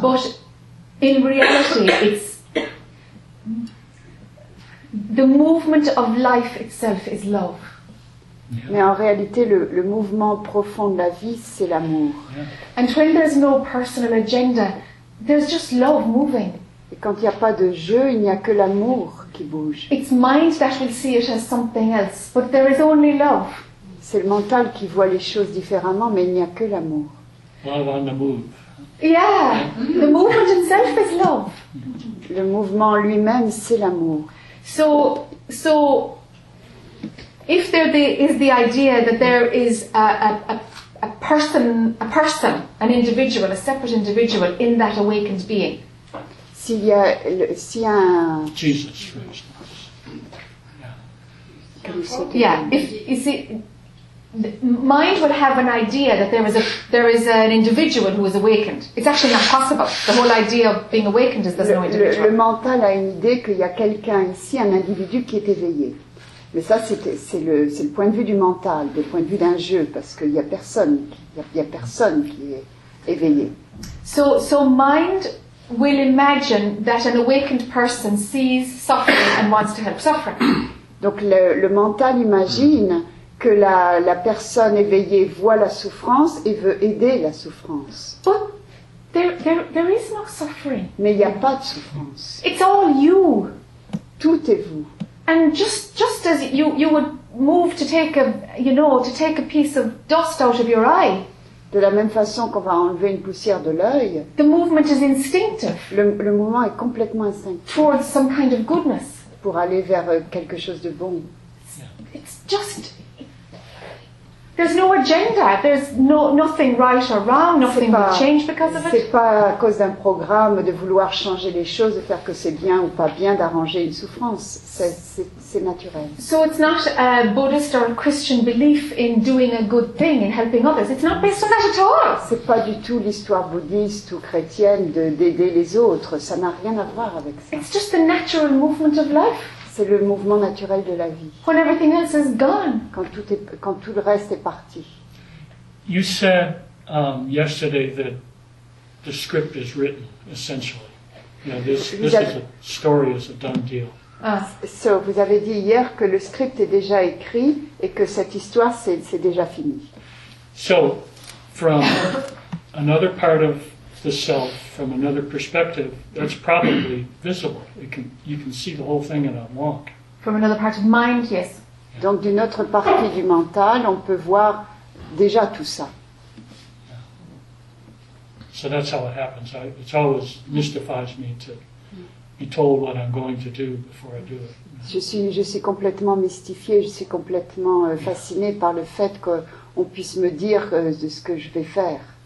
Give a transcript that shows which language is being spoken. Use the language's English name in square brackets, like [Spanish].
[English] But in reality, it's the movement of life itself is love. Yeah. [French] Mais en réalité, le mouvement profond de la vie, c'est l'amour. [English] Yeah. And when there's no personal agenda, there's just love moving. [French] Et quand il n'y a pas de jeu, il n'y a que l'amour qui bouge. [English] It's mind that will see it as something else, but there is only love. [French] C'est le mental qui voit les choses différemment, mais il n'y a que l'amour. [English] Love on the move. Yeah, the movement itself is love. [French] Le mouvement lui-même, c'est l'amour. [English] So. If there is the idea that there is a person, an individual, a separate individual in that awakened being. Jesus, for instance. Yeah. Yeah. If you see, the mind will have an idea that there is an individual who is awakened. It's actually not possible. The whole idea of being awakened is there's no individual. [French] Le mental a une idée qu'il y a quelqu'un ici, un individu qui est éveillé. Mais ça, c'est le point de vue du mental, le point de vue d'un jeu, parce qu'il n'y a personne, qui est éveillé. [English] So mind will imagine that an awakened person sees suffering and wants to help suffering. [French] Donc le mental imagine que la personne éveillée voit la souffrance et veut aider la souffrance. [English] But there is no suffering. [French] Mais il n'y a pas de souffrance. [English] It's all you. [French] Tout est vous. [English] And just as you would move to take a piece of dust out of your eye, [French] de la même façon qu'on va enlever une poussière de l'œil, [English] the movement is instinctive. [French] Le mouvement est complètement instinctif. [English] Towards some kind of goodness. [French] Pour aller vers quelque chose de bon. [English] It's just there's no agenda. There's nothing right or wrong. Nothing will change because of it. [French] C'est pas à cause d'un programme de vouloir changer les choses, de faire que c'est bien ou pas bien, d'arranger une souffrance. C'est naturel. [English] So it's not a Buddhist or a Christian belief in doing a good thing in helping others. It's not based on that at all. [French] C'est pas du tout l'histoire bouddhiste ou chrétienne d'aider les autres. Ça n'a rien à voir avec ça. [English] It's just the natural movement of life. [French] C'est le mouvement naturel de la vie. [English] When everything else is gone. [French] Quand tout le reste est parti. [English] You said yesterday that the script is written, essentially. You know, this is a story, is a done deal. [French] So, vous avez dit hier que le script est déjà écrit et que cette histoire, c'est déjà fini. [English] So, from another part of the self, from another perspective, that's probably visible. You can see the whole thing in a walk. From another part of mind, yes. Yeah. [French] Donc, d'une autre partie du mental, on peut voir déjà tout ça. [English] So that's how it happens. It always mystifies me to be told what I'm going to do before I do it. [French] Je suis complètement mystifiée, je suis complètement fascinée par le fait qu'on puisse me dire de ce que je vais faire.